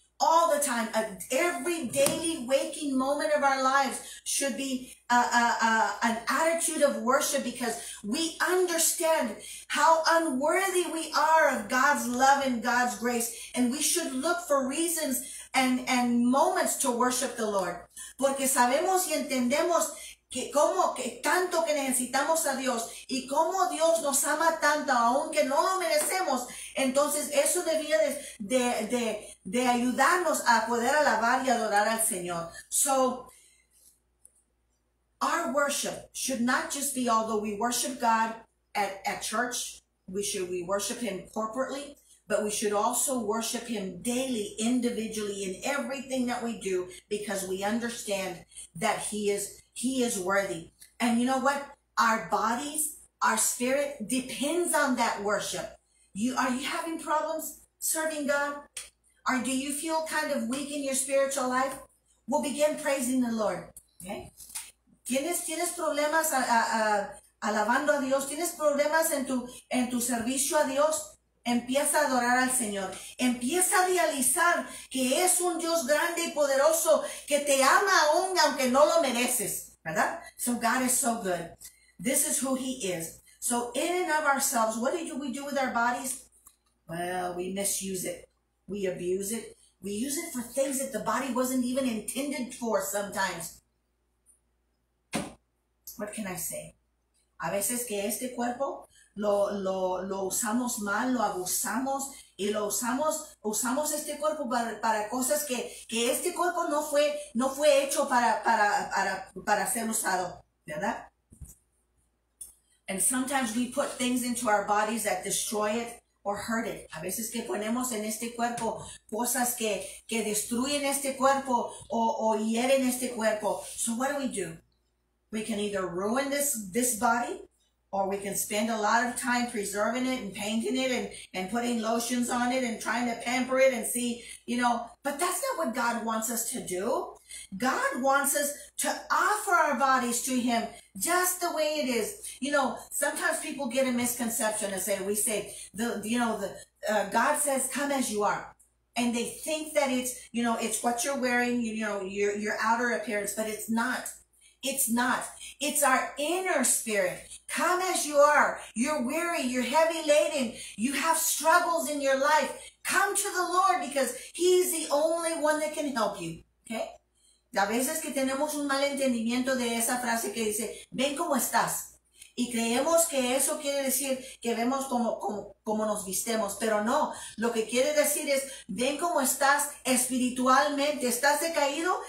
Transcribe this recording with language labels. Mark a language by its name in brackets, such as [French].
[English] All the time, every daily waking moment of our lives should be an attitude of worship, because we understand how unworthy we are of God's love and God's grace, and we should look for reasons and moments to worship the Lord. [Spanish] Porque sabemos y entendemos que cómo que tanto que necesitamos a Dios y cómo Dios nos ama tanto aunque no lo merecemos. Entonces eso debía de ayudarnos a poder alabar y adorar al Señor. [English] So our worship should not just be, although we worship God at church, we worship him corporately, but we should also worship him daily, individually, in everything that we do, because we understand that he is worthy. And you know what? Our bodies, our spirit depends on that worship. Are you having problems serving God? Or do you feel kind of weak in your spiritual life? Well, begin praising the Lord, okay? [Spanish] ¿Tienes problemas alabando a Dios? ¿Tienes problemas en tu servicio a Dios? Empieza a adorar al Señor. Empieza a realizar que es un Dios grande y poderoso que te ama aún aunque no lo mereces, ¿verdad? [English] So God is so good. This is who He is. So in and of ourselves, what do we do with our bodies? Well, we misuse it. We abuse it. We use it for things that the body wasn't even intended for sometimes. What can I say? [Spanish] A veces que este cuerpo lo usamos mal, lo abusamos y lo usamos este cuerpo para cosas que este cuerpo no fue hecho para ser usado, ¿verdad? [English] And sometimes we put things into our bodies that destroy it or hurt it. [Spanish] A veces que ponemos en este cuerpo cosas que destruyen este cuerpo o hieren este cuerpo. [English] So what do? We can either ruin this body, or we can spend a lot of time preserving it and painting it and putting lotions on it and trying to pamper it and see, you know. But that's not what God wants us to do. God wants us to offer our bodies to Him just the way it is. You know, sometimes people get a misconception and say, God says, come as you are. And they think that it's, you know, it's what you're wearing, you know, your outer appearance, but it's not. It's not. It's our inner spirit. Come as you are. You're weary. You're heavy laden. You have struggles in your life. Come to the Lord because He's the only one that can help you. [Spanish] Okay? A veces que tenemos un mal entendimiento de esa frase que dice, ven como estás. Y creemos que eso quiere decir que vemos como nos vistemos. Pero no. Lo que quiere decir es, ven como estás espiritualmente. ¿Estás decaído?